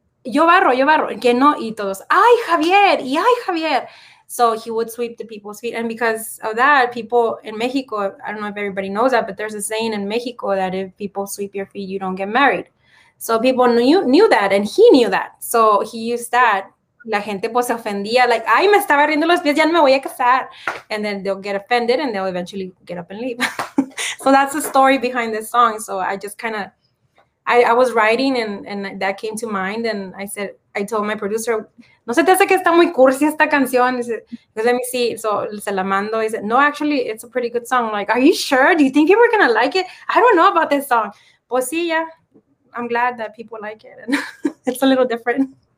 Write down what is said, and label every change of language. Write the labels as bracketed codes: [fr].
[es] Yo barro, que no, y todos, ay, Javier, y ay, Javier. [en] So he would sweep the people's feet. And because of that, people in Mexico, I don't know if everybody knows that, but there's a saying in Mexico that if people sweep your feet, you don't get married. So people knew that, and he knew that. So he used that. [es] La gente pues se ofendía, like, ay, me estaba riendo los pies, ya no me voy a casar. [en] And then they'll get offended, and they'll eventually get up and leave. So that's the story behind this song. So I just kind of, I was writing and that came to mind, and I told my producer, [es] no se te hace que está muy cursi esta canción, [en] let me see, so [es] se la mando, [en] he said, no, actually, it's a pretty good song, I'm like, are you sure, do you think people are gonna like it, I don't know about this song, [es] pues sí, [en] yeah, I'm glad that people like it, and it's a little different.